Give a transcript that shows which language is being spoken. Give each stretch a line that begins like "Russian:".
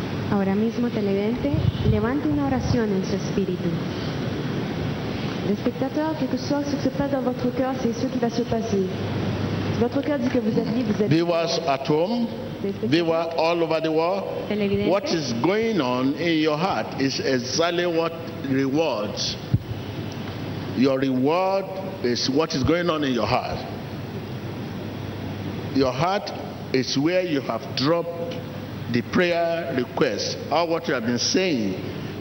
Spanish: Ahora mismo, televidente, levante una oración en su espíritu.
French: Le spectateur, quel que soit ce qui se passe dans votre cœur, c'est ce qui va se passer. Votre cœur dit que vous êtes libre, vous êtes libre.
English: Viewers at home, viewers all over the world, what is going on in your heart is exactly what rewards. Your reward is what is going on in your heart. Your heart is where you have dropped the prayer request, or what you have been saying.